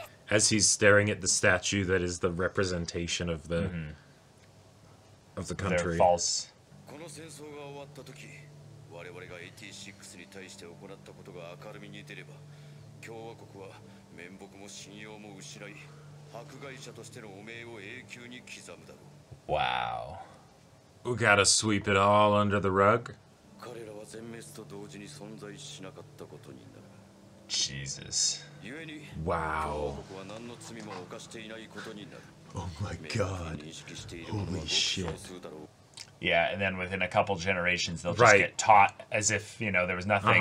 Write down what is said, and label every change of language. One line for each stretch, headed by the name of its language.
English: As he's staring at the statue that is the representation of the... Mm-hmm. Of the country. They're false.
Japanese: この戦争が終わった時、我々が AT6 に対して行ったことが明るみに出れば、共和国は面目も信用も失い、迫害者としての汚名を永久に刻むだろう。
English: Wow. We gotta sweep it all under the rug.
Japanese: 彼らは全滅と同時に存在しなかったことになる。
English: Jesus. Wow.
Japanese: 共和国は何の罪も犯していないことになる。
English: Oh my God. Holy shit. Yeah, and then within a couple generations, they'll just get taught as if, you know, there was nothing.